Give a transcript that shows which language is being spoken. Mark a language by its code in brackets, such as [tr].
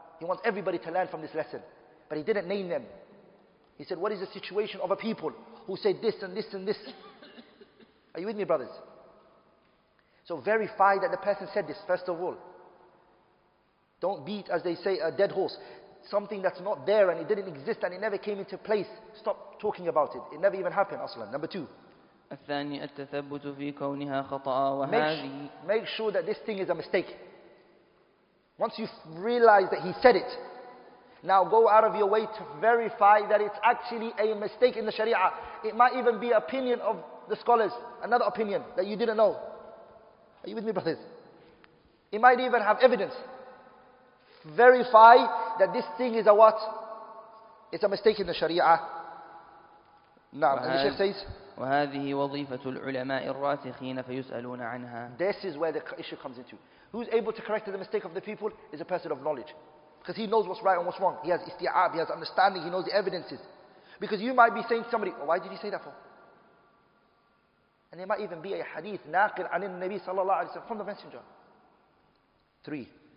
[en] He wants everybody to learn from this lesson. But he didn't name them. He said, what is the situation of a people who say this and this and this? Are you with me, brothers? So verify that the person said this, first of all. Don't beat, as they say, a dead horse. Something that's not there and it didn't exist and it never came into place. Stop talking about it. It never even happened, Aslan. Number two. [ar] الثاني التثبت في كونها خطأ وهذه. [en] Make sure that this thing is a mistake. Once you realize that he said it, now go out of your way to verify that it's actually a mistake in the Sharia. It might even be opinion of the scholars, another opinion that you didn't know. Are you with me, brothers? It might even have evidence. Verify that this thing is a what? It's a mistake in the Sharia. Now, and the Sheikh says, [ar] وهذه وظيفة العلماء الراسخين فيسألون عنها. [en] This is where the issue comes into. Who's able to correct the mistake of the people is a person of knowledge. Because he knows what's right and what's wrong. He has isti'ab, he has understanding, he knows the evidences. Because you might be saying to somebody, oh, why did he say that for? And there might even be a hadith, [ar] naqil anil nabi sallallahu alayhi wa sallam, [en] from the messenger. Three.